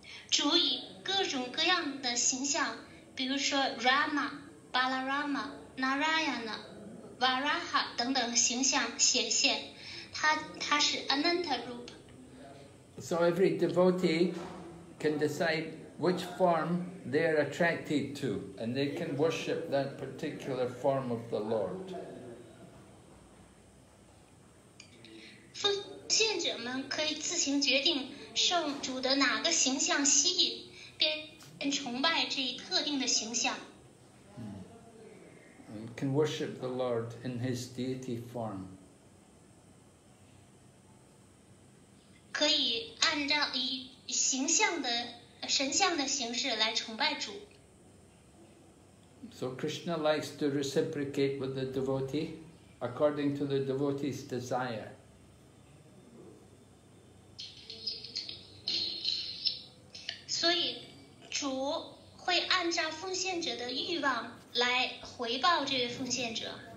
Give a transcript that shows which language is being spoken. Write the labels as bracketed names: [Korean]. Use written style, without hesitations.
[Chinese] 主以各种各样的形象，比如说 Rama, Balarama, Narayana, Varaha 等等形象显现，他是 Anantarup。 [English] So every devotee can decide which form they are attracted to, and they can worship that particular form of the Lord. [Chinese] 奉献者们可以自行决定受主的哪个形象吸引，便崇拜这一特定的形象。 [English] And can worship the Lord in his deity form. [Chinese] 可以按照以形象的神像的形式来崇拜主。 [English] So Krishna likes to reciprocate with the devotee according to the devotee's desire. [Chinese] 所以主会按照奉献者的欲望来回报这位奉献者。